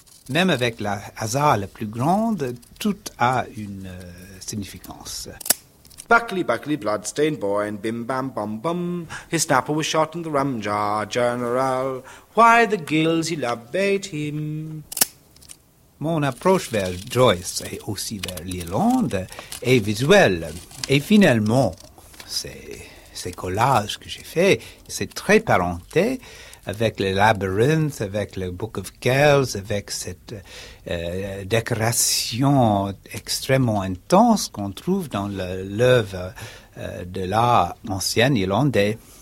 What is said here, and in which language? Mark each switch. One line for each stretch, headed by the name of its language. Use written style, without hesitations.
French: Même avec le hasard le plus grand, tout a une significance.
English: Buckley, Buckley, bloodstained boy, and bim bam bum bum. His snapper was shot in the rum jar, general. Why the gills, he loved bait him.
French: Mon approche vers Joyce et aussi vers l'Irlande est visuelle. Et finalement, ces collages que j'ai faits, c'est très parenté avec le labyrinthe, avec le Book of Kells, avec cette décoration extrêmement intense qu'on trouve dans l'œuvre de l'art ancien irlandais.